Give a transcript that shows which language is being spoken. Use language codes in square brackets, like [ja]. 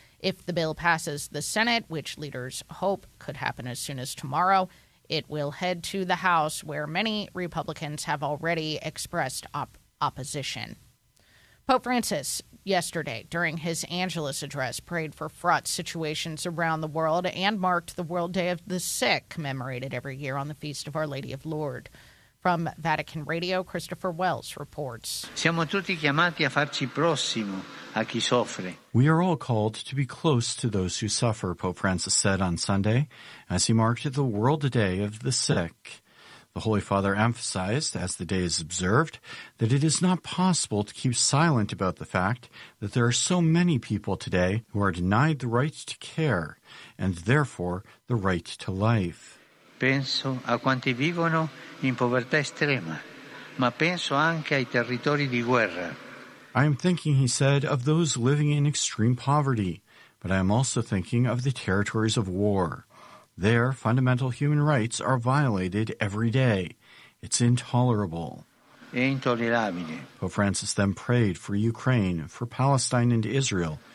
[en] If the bill passes the Senate, which leaders hope could happen as soon as tomorrow, it will head to the House, where many Republicans have already expressed opposition. Pope Francis, yesterday, during his Angelus address, prayed for fraught situations around the world and marked the World Day of the Sick, commemorated every year on the Feast of Our Lady of Lourdes. From Vatican Radio, Christopher Wells reports. [it] Siamo tutti chiamati a farci prossimo a chi soffre. [en] We are all called to be close to those who suffer, Pope Francis said on Sunday, as he marked the World Day of the Sick. The Holy Father emphasized, as the day is observed, that it is not possible to keep silent about the fact that there are so many people today who are denied the right to care, and therefore the right to life. [it] Penso a quanti vivono in povertà estrema, ma penso anche ai territori di guerra. [en] I am thinking, he said, of those living in extreme poverty, but I am also thinking of the territories of war. There, fundamental human rights are violated every day. It's intolerable. [it] È intollerabile. [en] Pope Francis then prayed for Ukraine, for Palestine and Israel.